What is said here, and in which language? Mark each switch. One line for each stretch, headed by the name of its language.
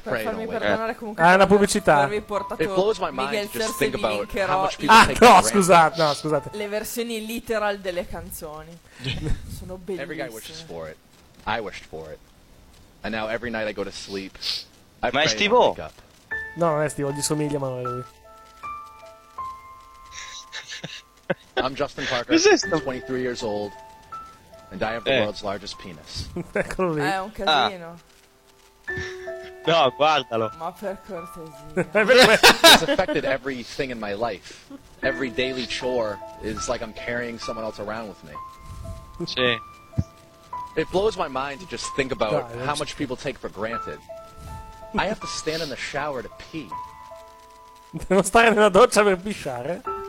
Italian: per farmi perdonare comunque è una pubblicità farmi portato Miguel Cersei di Linkero. Ah no, scusate, no, scusate, le versioni literal delle canzoni sono bellissime.
English: Every guy wishes for it, I wished for it, and now every night I go to sleep.
Italian: Ma è Steve-O? No, non è Steve-O, gli somiglia ma non è lui.
English: I'm Justin Parker. Who's this? I'm 23 years old and I have the world's largest penis.
Italian: Eccolo lì. È un casino. Ah. No, guardalo. Ma per cortesia.
English: It's affected everything in my life. Every daily chore is like I'm carrying someone else around with me.
Italian: Sì.
English: It blows my mind to just think about how much people take for granted. I have to stand in the shower to pee.
Italian: Devo stare nella doccia per pisciare?